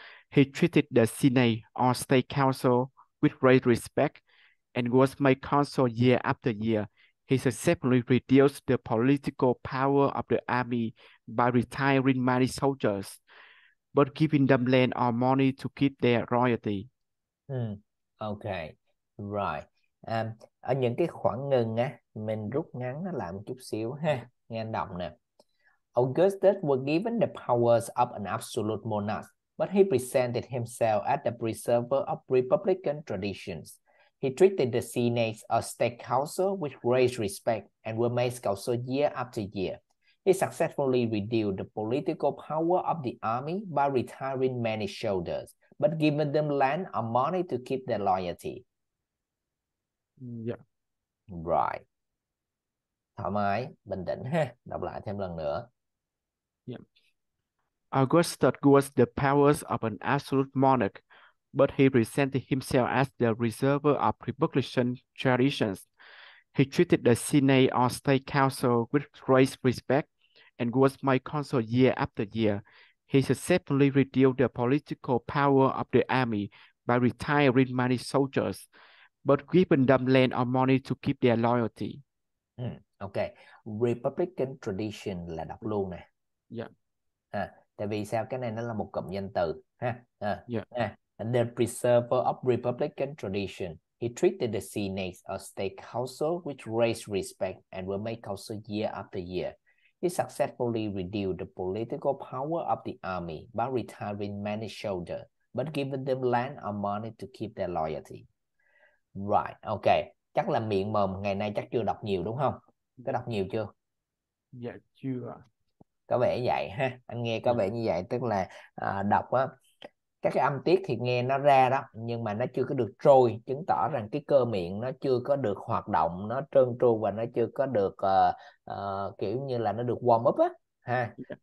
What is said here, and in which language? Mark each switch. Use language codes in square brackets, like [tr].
[en] He treated the Senate or state council with great respect and was made consul year after year. He successfully reduced the political power of the army by retiring many soldiers, but giving them land or money to keep their royalty. [vi] Ok. Rồi. Ở những cái khoảng ngừng á, mình rút ngắn nó lại một chút xíu ha. Nghe anh đọc nè. [en] Augustus was given the powers of an absolute monarch, but he presented himself as the preserver of republican traditions. He treated the Senate or state council with great respect and was made consul year after year. He successfully reduced the political power of the army by retiring many soldiers, but giving them land or money to keep their loyalty. [vi] Right. Thoải mái, bình tĩnh ha. Đọc lại thêm lần nữa. [en] Augustus was the powers of an absolute monarch, but he presented himself as the preserver of republican traditions. He treated the Senate or state council with great respect and was made consul year after year. He successfully reduced the political power of the army by retiring many soldiers, but giving them land or money to keep their loyalty. Ok. [vi] Republican tradition là đọc luôn nè. Tại vì sao? Cái này nó là một cụm danh từ. [en] Ha. The preserver of Republican tradition. He treated the Senate or state council with great respect and will make council year after year. He successfully reduced the political power of the army by retiring many soldiers, but giving them land or money to keep their loyalty. Right, ok. [vi] Chắc là miệng mồm ngày nay chắc chưa đọc nhiều đúng không? Có đọc nhiều chưa? Dạ chưa. có vẻ vậy ha, anh nghe có Ừ. vẻ như vậy, tức là đọc á, các cái âm tiết thì nghe nó ra đó, nhưng mà nó chưa có được trôi, chứng tỏ rằng cái cơ miệng nó chưa có được hoạt động, nó trơn tru và nó chưa có được kiểu như là nó được warm up á ha.